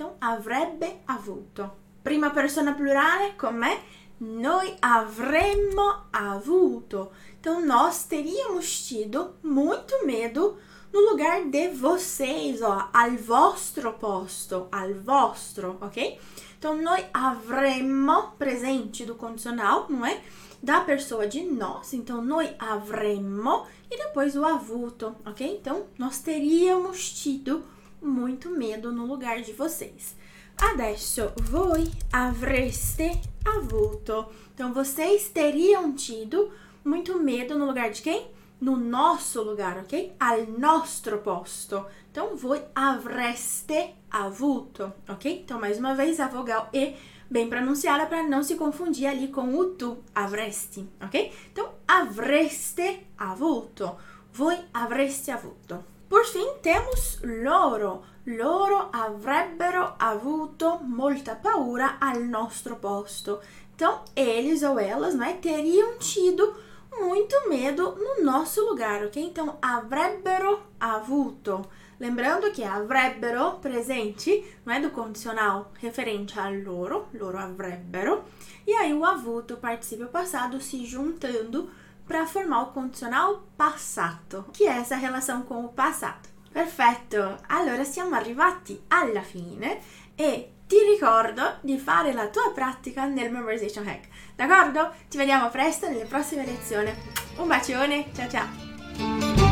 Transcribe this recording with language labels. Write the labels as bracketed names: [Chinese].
[Italian] Então, avrebbe avuto. Prima persona plurale, com'è? Noi avremmo avuto. [Portuguese] Então, nós teríamos tido muito medo no lugar de vocês, ó, [Italian] al vostro posto, al vostro, [Portuguese] ok? Então, [Italian] noi avremmo, [Portuguese] presente do condicional, não é? Da pessoa de nós, então [Italian] noi avremmo, [Portuguese] e depois o avuto, ok? Então, nós teríamos tido muito medo no lugar de vocês. [Italian] Adesso, voi avreste avuto. [Portuguese] Então, vocês teriam tido muito medo no lugar de quem? No nosso lugar, ok? [Italian] Al nostro posto. Então, voi avreste avuto, ok? [Portuguese] Então, mais uma vez, a vogal E bem pronunciada para não se confundir ali com o tu, avresti, ok? [Italian] Então, avreste avuto. Voi avreste avuto. [Portuguese] Por fim, temos loro. [Italian] Loro avrebbero avuto molta paura al nostro posto. [Portuguese] Então, eles ou elas, né, teriam tido muito medo no nosso lugar, ok? Então, [Italian] avrebbero avuto. [Portuguese] lembrando que avrebbero presenti, no é do condicional referente a loro, [Italian] loro avrebbero, [Portuguese] e aí o avuto, participio passado, se juntando para formar o condicional passato, que é essa relação com o passato. [Italian] Perfetto! Allora siamo arrivati alla fine e ti ricordo di fare la tua pratica nel Memorization Hack. D'accordo? Ci vediamo presto nelle prossime lezioni. Un bacione, ciao ciao!